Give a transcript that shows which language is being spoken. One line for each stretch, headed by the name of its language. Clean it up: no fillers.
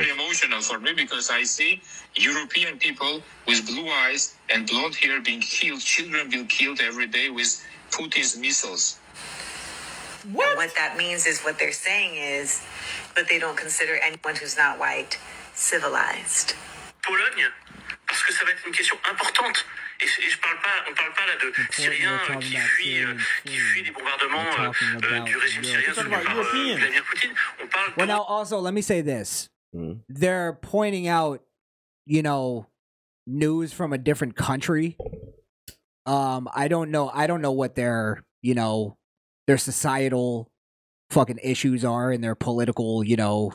English: Very emotional for me because I see European people with blue eyes and blonde hair being killed, children being killed every day with Putin's missiles. What that means is what they're saying is, but they don't consider anyone who's not white civilized.
French: Pologne, parce que ça va être une question importante. Et je parle pas, on parle pas là de Syriens qui fuient les bombardements du régime syrien soutenu par Vladimir Poutine. On parle.
English: Well, now also, let me say this. They're pointing out, you know, news from a different country. I don't know what their, you know, their societal fucking issues are and their political, you know.